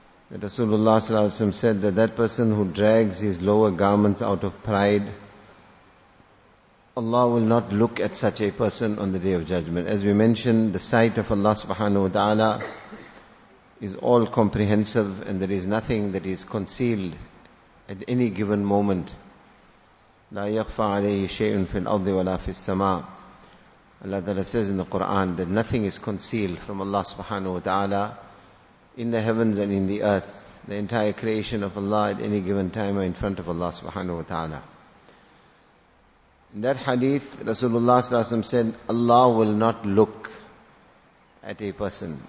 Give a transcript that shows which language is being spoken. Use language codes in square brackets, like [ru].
[en] That Rasulullah sallallahu alayhi wa sallam said that that person who drags his lower garments out of pride, Allah will not look at such a person on the Day of Judgment. As we mentioned, the sight of Allah subhanahu wa ta'ala is all comprehensive and there is nothing that is concealed at any given moment. [ar] لا يخفى عليه شيء في الأرض ولا في السماء. [en] Allah ta'ala says in the Quran that nothing is concealed from Allah subhanahu wa ta'ala in the heavens and in the earth. The entire creation of Allah at any given time are in front of Allah subhanahu wa ta'ala. In that hadith, Rasulullah said, Allah will not look at a person.